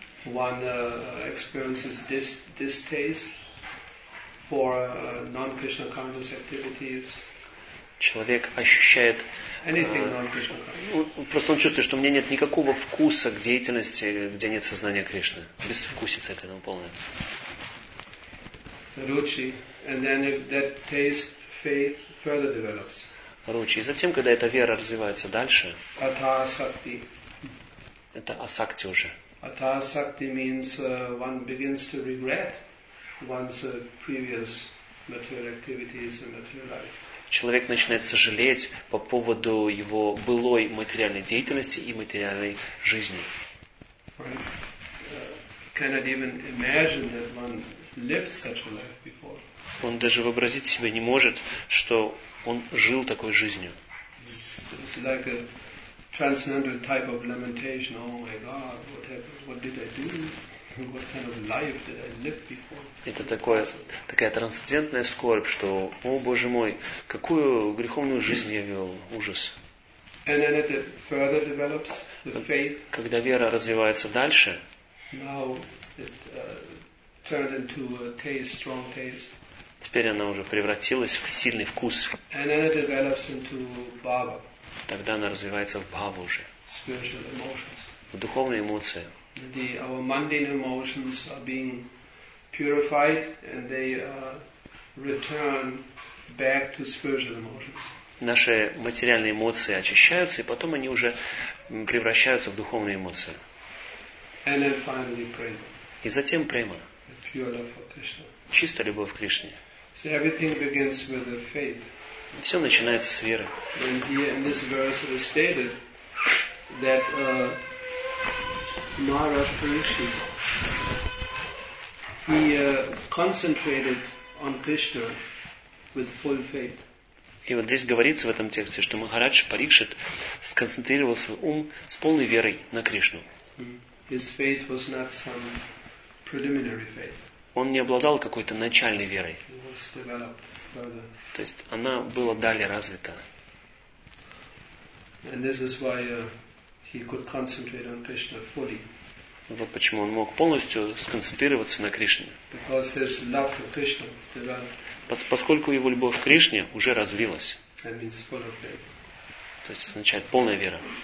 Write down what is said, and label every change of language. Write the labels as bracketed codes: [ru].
[en] One experiences distaste for non-Krishna conscious activities. [ru] Человек ощущает [en] anything non-Krishna conscious. [ru] Просто он чувствует, что у меня нет никакого вкуса к деятельности, где нет сознания Кришны. Безвкусица к этому полная. [en] Ruchi, and then if that taste faith further develops. [ru] Ruchi, и затем, когда эта вера развивается дальше. [en] Ata-sakti. [ru] Это асакти уже. [en] Ata-sakti means one begins to regret one's previous material activities and material life. [ru] Человек начинает сожалеть по поводу его былой материальной деятельности и материальной жизни. [en] Cannot even imagine that one lived such a life before. [ru] Он даже вообразить себе не может, что он жил такой жизнью. [en] It's like a transcendental type of lamentation. Oh my God, what happened? What did I do? What kind of life did I live before? [ru] Это такое, такая трансцендентная скорбь, что, о Боже мой, какую греховную жизнь я вел, ужас. [en] And then it further develops the faith. [ru] Когда вера развивается дальше. [en] Now it turned into a taste, strong taste. [ru] Теперь она уже превратилась в сильный вкус. [en] And then it develops into bhava. [ru] Тогда она развивается в бхаву уже. [en] Spiritual emotions. [ru] В духовные эмоции. [en] The, our mundane emotions are being purified and they return back to spiritual emotions. [ru] Наши материальные эмоции очищаются и потом они уже превращаются в духовные эмоции. [en] And then finally prema. [ru] И затем према. [en] Pure love for Krishna. [ru] Чистая любовь к Кришне. [en] So everything begins with the faith. [ru] Все начинается с веры. [en] And here in this verse it is stated that Maharaj Parikshit, he concentrated on Krishna with full faith. [ru] И вот здесь говорится в этом тексте, что Махарадж Парикшит сконцентрировал свой ум с полной верой на Кришну. [en] His faith was not some preliminary faith. [ru] Он не обладал какой-то начальной верой. То есть она была далее развита. [en] And this is why he could concentrate on Krishna fully. [ru] Вот почему он мог полностью сконцентрироваться на Кришне. [en] Because his love for Krishna developed. [ru] Поскольку его любовь к Кришне уже развилась. [en] That means full of faith. [ru] То есть означает полная вера.